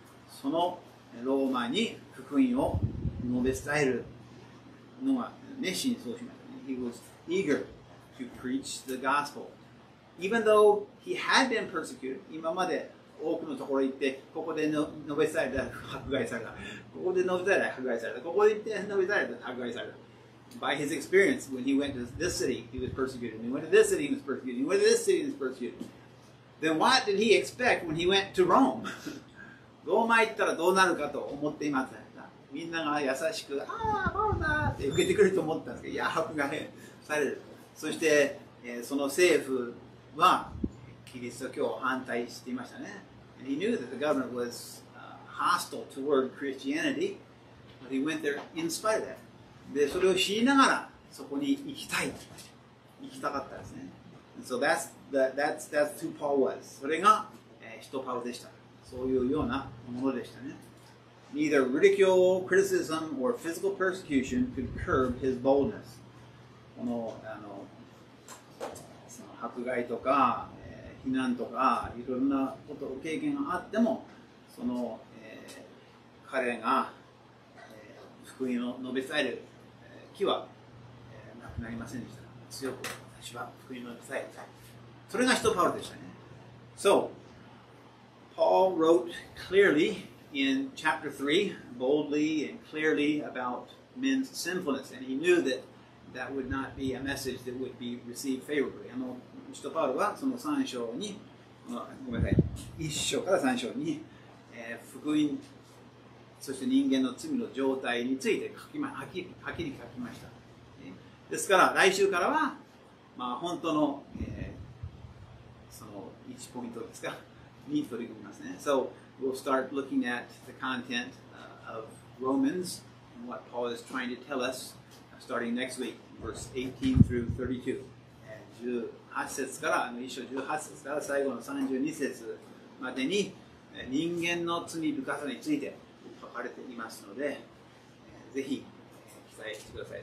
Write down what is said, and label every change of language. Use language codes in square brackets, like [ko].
[ja] そのローマに福音を述べ伝えるのが熱心にそうしました。 [en] He was eager to preach the gospel. Even though he had been persecuted, [ja] 今まで多くのところに行って、ここで述べ伝えた、迫害された。ここで述べ伝えた、迫害された。ここで行って述べ伝えた、迫害された。 [en] By his experience, when he went to this city, he was persecuted. He went to this city, he was persecuted. He went to this city, he was persecuted. Then what did he expect when he went to Rome? [ja] ローマ行ったらどうなるかと思っていました。みんなが優しく、ああ、パウダーって受けてくれると思ったんですけど、迫害される。そして、その政府は、キリスト教を反対していましたね。 [en] And he knew that the government was, hostile toward Christianity, but he went there in spite of that. [ja] で、それを知りながら、そこに行きたい。行きたかったですね。 [en] And so that's who Paul was. [ja] それが、人パウでした。そういうようなものでしたね。 [en] Neither ridicule, criticism, or physical persecution could curb his boldness. [ja] この、その迫害とか、避難とか、いろんなこと、経験があっても、その、彼が、福音を述べ伝える気は、なくなりませんでした。強く、私は福音を述べ伝えたい。それが人パウルでしたね。 [en] So, Paul wrote clearly,in chapter 3, boldly and clearly about men's sinfulness. And he knew that that would not be a message that would be received favorably. [ja] Paul はその3章に、ごめんなさい、1章から3章に、福音、そして人間の罪の状態について書き、はっきり書きました。ですから来週からは、まあ、本当の、その1ポイントですか、に取り組みますね。 [en] So,We'll start looking at the content of Romans and what Paul is trying to tell us starting next week, verse 18 through 32. [ja] 18節から、一章18節から最後の32節までに人間の罪深さについて書かれていますので、ぜひ期待してください。